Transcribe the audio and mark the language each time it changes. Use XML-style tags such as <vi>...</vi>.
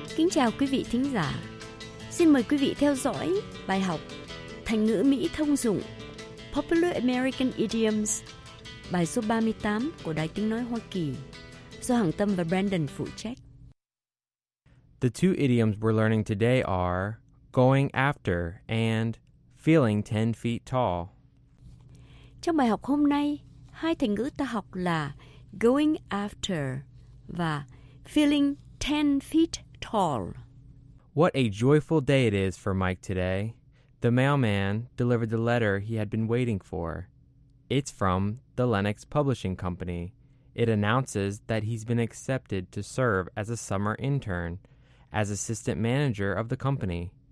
<vi>Chào quý vị thính giả. Xin mời quý vị theo dõi bài học Thành ngữ Mỹ thông dụng Popular American Idioms bài số 38 của Đài Tiếng Nói Hoa Kỳ do Hằng Tâm và Brandon phụ trách.</vi> <en>The two idioms we're learning today are going after and feeling 10 feet tall.</en> <vi>Trong bài học hôm nay, hai thành ngữ ta học là going after và feeling 10 feet tall.</vi> <en>What a joyful day it is for Mike today. The mailman delivered the letter he had been waiting for. It's from the Lennox Publishing Company. It announces that he's been accepted to serve as a summer intern, as assistant manager of the company.</en>